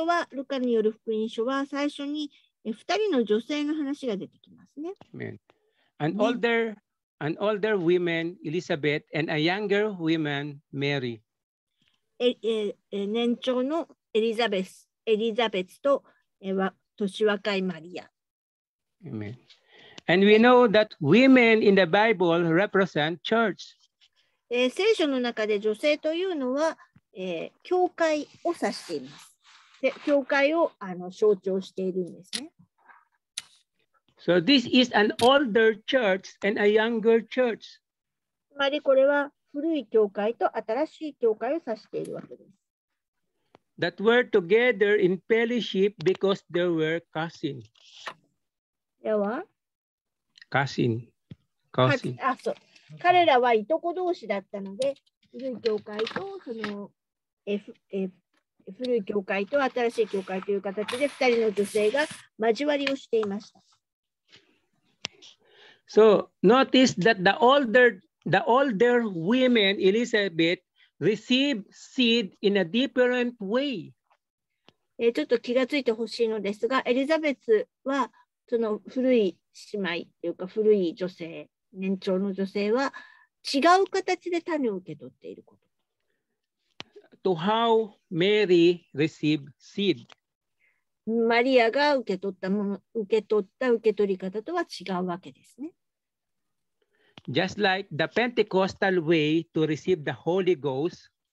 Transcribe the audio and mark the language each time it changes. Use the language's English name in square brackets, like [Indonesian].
[Japanese] ルカによる福音書は最初に二人の女性の話が出てきますね。 [English] Amen. An older woman, Elizabeth, and a younger woman, Mary. [Japanese] 年長のエリザベスと年若いマリア。 [English] Amen. And we know that women in the Bible represent church. [Japanese] 聖書の中で女性というのは、教会を指しています。教会を象徴しているんですね。 [English] So this is an older church and a younger church. [Japanese] つまりこれは古い教会と新しい教会を指しているわけです。 [English] That were together in fellowship because they were cousins. [Japanese] では、 [English] Cousin. Cousin. [Japanese] あ、そう。彼らはいとこ同士だったので、古い教会とその古い教会と新しい教会という形で2人の女性が交わりをしていました。 [English] So notice that the older women, Elizabeth, received seed in a different way. [Japanese] ちょっと気がついてほしいのですが、エリザベスはその古い姉妹というか古い女性、年長の女性は違う形で種を受け取っていること。 [English] To how Mary received seed. [Japanese] マリアが受け取ったもの、受け取り方とは違うわけですね。 [English] Just like the Pentecostal way to receive the Holy Ghost.